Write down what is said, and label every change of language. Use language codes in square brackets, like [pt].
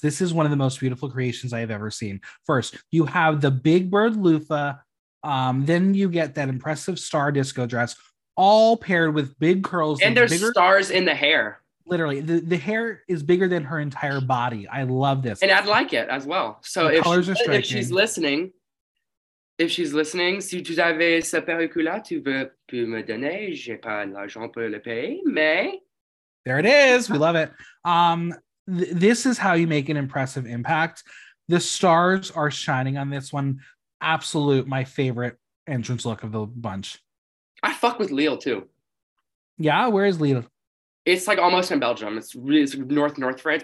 [en] This is one of the most beautiful creations I have ever seen. First, you have the big bird loofah. Then you get that impressive star disco dress, all paired with big curls. And there's bigger stars in the hair. Literally, the hair is bigger than her entire body. I love this. And I'd like it as well. So if she's listening, [fr] si tu avais sa pericula, tu peux me donner, j'ai pas l'argent pour le payer, mais... [en] There it is. We love it. This is how you make an impressive impact. The stars are shining on this one. Absolute, my favorite entrance look of the bunch. I fuck with Lille too. Yeah, where is Lille? It's like almost in Belgium. It's north France.